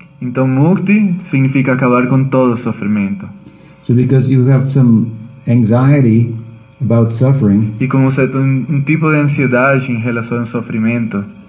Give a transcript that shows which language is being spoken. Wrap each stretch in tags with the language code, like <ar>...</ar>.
<pt>Então mukti significa acabar com todo o sofrimento.</pt> <en>So because you have some anxiety about suffering.</en> <pt>E como você tem um tipo de ansiedade em relação ao sofrimento.</pt>